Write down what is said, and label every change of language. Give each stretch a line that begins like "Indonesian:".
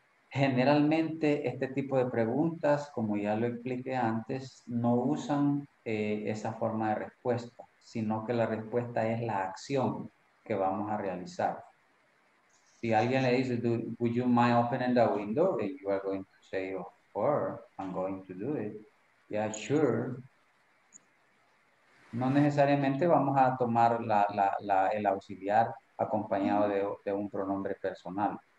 Spanish: Generalmente, este tipo de preguntas, como ya lo expliqué antes, no usan esa forma de respuesta, sino que la respuesta es la acción que vamos a realizar. Si alguien le dice,
English: would you mind opening the window? And you are going to say, of course, I'm going to do it. Yeah, sure.
Spanish: No necesariamente vamos a tomar el auxiliar acompañado de un pronombre personal.